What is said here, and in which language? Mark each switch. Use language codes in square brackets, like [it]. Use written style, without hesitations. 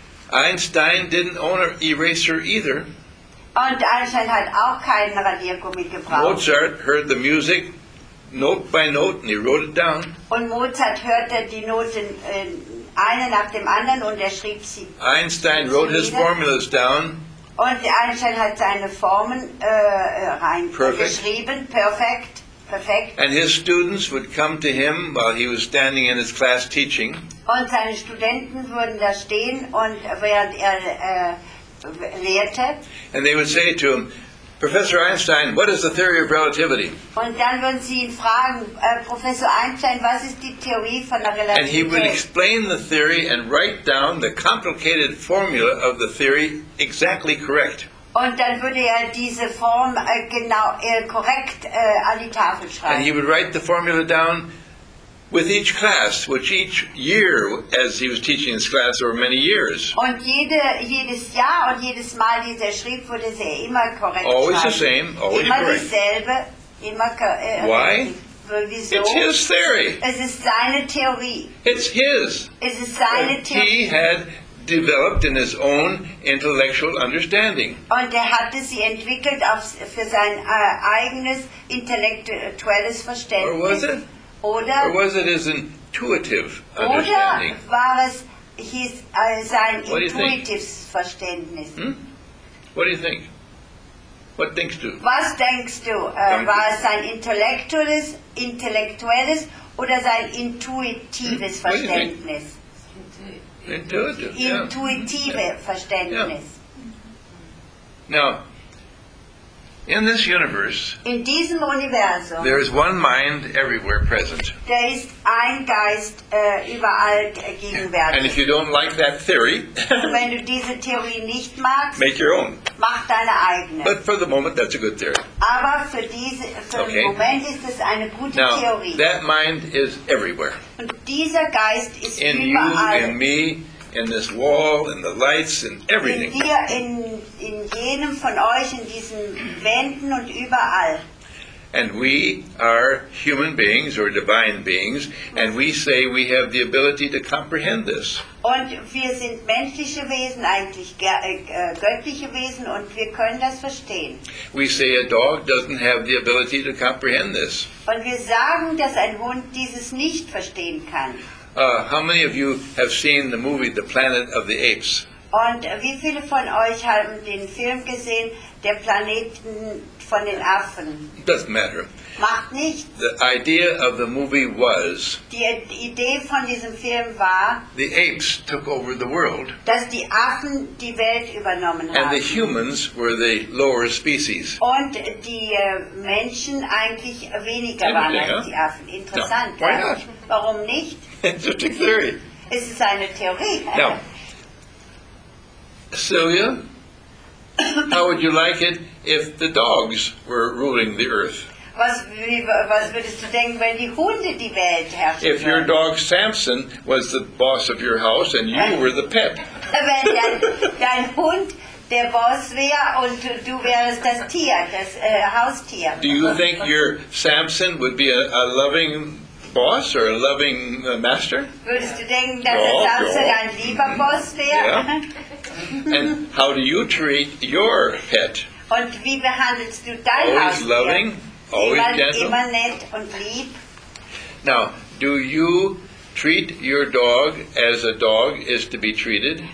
[en] Einstein didn't own an eraser either. [de] Und Einstein hat auch keinen Radiergummi gebraucht. [en] Mozart heard the music note by note and he wrote it down. [de] Und Mozart hörte die Noten eine nach dem anderen und er schrieb sie. [en] Einstein wrote his formulas down. [de] Und Einstein hat seine Formen reingeschrieben. Perfekt. [en] And his students would come to him while he was standing in his class teaching. [de] Und seine Studenten würden da stehen und während er lehrte. [en] And they would say to him, Professor Einstein, what is the theory of relativity? [de] Und dann würden sie ihn fragen, Professor Einstein, was ist die Theorie von der Relativität? [en] And he would explain the theory and write down the complicated formula of the theory exactly correct. [de] Und dann würde er diese Form korrekt an die Tafel schreiben. [en] And he would write the formula down with each class, which each year, as he was teaching his class over many years. [de] Und jedes Jahr und jedes Mal, wie er schrieb, wurde er immer korrekt. [en] Always the same, always [de] immer [en] correct. [de] Dasselbe, immer [en] why? [de] Wieso? [en] It's his theory. [de] Es ist seine Theorie. [en] It's his. [de] Es ist seine Theorie. [en] He had developed in his own intellectual understanding. [de] Und hatte sie entwickelt für sein eigenes intellektuelles Verständnis. [en] Or was it? [de] Oder [en] was it his intuitive understanding? [de] Oder war es sein intuitives Verständnis? [en] What do you think? What thinkst du? [de] Was denkst du? War es sein intellektuelles oder sein intuitives Verständnis? [en] Intuitive [de] Verständnis. [en] Now, In this universe, [de] in diesem Universum, [en] there is one mind everywhere present. [de] Da ist ein Geist überall gegenwärtig. [en] And if you don't like that theory, [de] wenn du diese Theorie nicht magst, [en] make your own. [de] Mach deine eigene. [en] But for the moment, that's a good theory. [de] Aber für diese, für okay. den Moment ist es eine gute [en] now, [de] Theorie. [en] Now that mind is everywhere. [de] Und dieser Geist ist [en] in [de] überall. [en] You, in me. In this wall, in the lights, in everything. [de] In dir, in jenem von euch, in diesen Wänden und überall. [en] And we are human beings or divine beings, and we say we have the ability to comprehend this. [de] Und wir sind menschliche Wesen, eigentlich göttliche Wesen, und wir können das verstehen. [en] We say a dog doesn't have the ability to comprehend this. [de] Und wir sagen, dass ein Hund dieses nicht verstehen kann. [en] How many of you have seen the movie The Planet of the Apes? [de] Und wie viele von euch haben den Film gesehen, Der Planeten von den Affen? [en] Doesn't matter. [de] Macht nichts. [en] The idea of the movie was, [de] die Idee von diesem Film war, [en] the apes took over the world. [de] Dass die Affen die Welt übernommen [en] and [de] haben. [en] And the humans were the lower species. [de] Und die Menschen eigentlich weniger waren als die Affen. Interessant. [en] No. Why not? [de] Warum nicht? [en] Interesting theory. [de] Es ist eine Theorie. [en] Now, Celia, how would you like it if the dogs were ruling the earth? [de] Was würdest du denken, wenn die Hunde die Welt herrschen? [en] If your dog Samson was the boss of your house and you were the pet. [de] Wenn dein Hund der Boss wäre und du wärst das Tier, das Haustier. [en] Do you think your Samson would be a loving boss or a loving master? [de] Würdest du denken, dass der Samson ein lieber Boss wäre? [en] Yeah. And how do you treat your pet? [de] Und wie behandelst du dein [en] always [de] Haustier? [en] Loving, always [de] immer, [en] gentle. [de] Immer nett und lieb. [en] Now, do you treat your dog as a dog is to be treated?